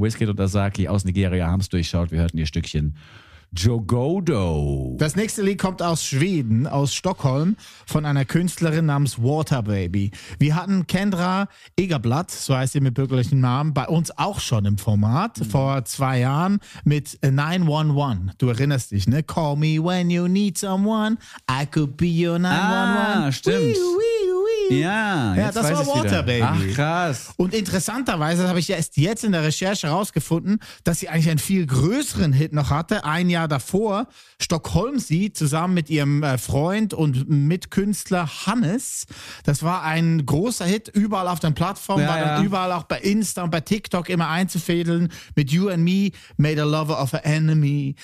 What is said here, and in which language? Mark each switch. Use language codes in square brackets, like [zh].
[de] Wizkid und Dasaki aus Nigeria haben es durchschaut. Wir hörten ihr Stückchen Jogodo. Das nächste Lied kommt aus Schweden, aus Stockholm, von einer Künstlerin namens Waterbaby. Wir hatten Kendra Egerblatt, so heißt sie mit bürgerlichen Namen, bei uns auch schon im Format vor 2 Jahren mit 911. Du erinnerst dich, ne? [en] Call me when you need someone, I could be your 911. [de] Ah, stimmt. Ja, jetzt das weiß war Waterbaby. Ach, krass. Und interessanterweise habe ich erst jetzt in der Recherche herausgefunden, dass sie eigentlich einen viel größeren Hit noch hatte. Ein Jahr davor, Stockholm sie zusammen mit ihrem Freund und Mitkünstler Hannes. Das war ein großer Hit, überall auf den Plattformen, war dann überall auch bei Insta und bei TikTok immer einzufädeln mit You and Me, Made a Lover of an Enemy.